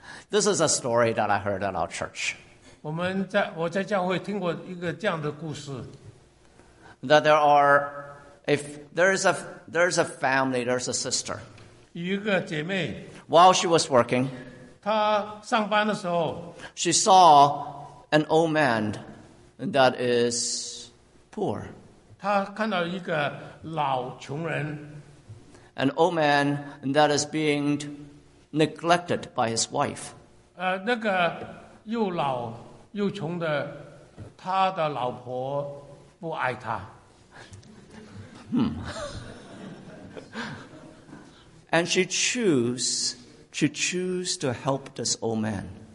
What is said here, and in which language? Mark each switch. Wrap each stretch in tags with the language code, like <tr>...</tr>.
<en>This is a story that I heard at our church.</en> <zh>我在教会听过一个这样的故事。</zh> <en>That there are If there's a family, there's a sister.</en> <zh>有一个姐妹,</zh> <en>While she was working,</en> <zh>她上班的时候,</zh> <en>she saw an old man that is poor.</en> <zh>她看到一个老穷人,</zh> <en>an old man that is being neglected by his wife.</en> <zh>那个又老又穷的, 她的老婆不爱她。</zh> <en>And she chose to help this old man.</en>